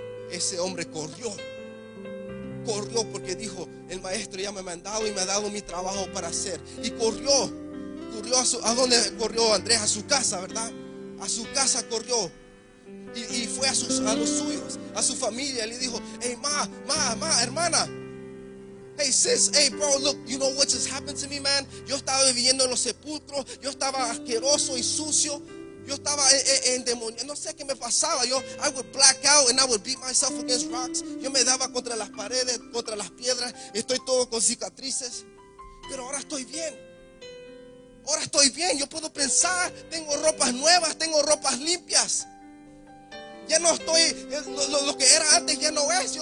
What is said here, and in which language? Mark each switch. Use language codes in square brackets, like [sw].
[es] Ese hombre corrió porque dijo: el maestro ya me ha mandado y me ha dado mi trabajo para hacer. Y corrió a dónde corrió Andrés, a su casa, ¿verdad? A su casa corrió. Y fue a los suyos, a su familia. Le dijo: hey, ma, hermana. [en] Hey, sis, hey, bro, look, you know what just happened to me, man? [es] Yo estaba viviendo en los sepulcros. Yo estaba asqueroso y sucio. Yo estaba en demonio. No sé qué me pasaba. [en] Yo, I would black out and I would beat myself against rocks. [es] Yo me daba contra las paredes, contra las piedras. Estoy todo con cicatrices. Pero ahora estoy bien. Ahora estoy bien. Yo puedo pensar. Tengo ropas nuevas. Tengo ropas limpias. Ya no estoy, lo que era antes ya no es.